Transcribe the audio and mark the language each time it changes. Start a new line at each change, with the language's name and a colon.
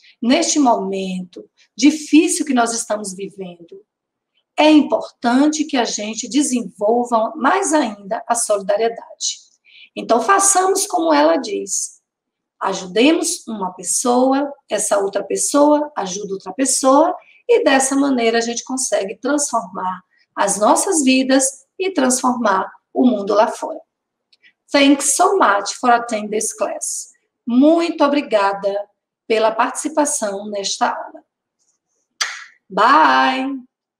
Portuguese: Neste momento difícil que nós estamos vivendo, é importante que a gente desenvolva mais ainda a solidariedade. Então, façamos como ela diz. Ajudemos uma pessoa, essa outra pessoa ajuda outra pessoa, e dessa maneira a gente consegue transformar as nossas vidas e transformar o mundo lá fora.
English: Thanks so much for attending this class.
Portuguese: Muito obrigada pela participação nesta aula. Bye!